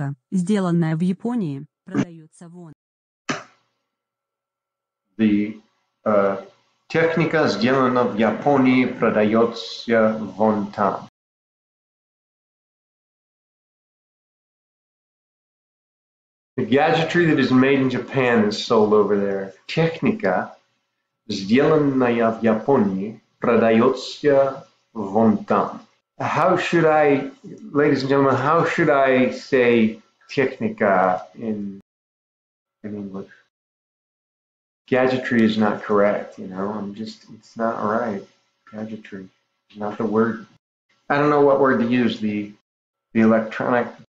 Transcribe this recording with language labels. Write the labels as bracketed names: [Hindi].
[Russian] Сделанная в Японии продается вон. The техника, сделана в Японии, продается вон там. [English] The gadgetry that is made in Japan is sold over there. [Russian] Техника, сделанная в Японии, продается вон там. [English] How should I, ladies and gentlemen, how should I say техника in English? Gadgetry is not correct, you know, I'm just, it's not right. Gadgetry is not the word. I don't know what word to use, the electronic.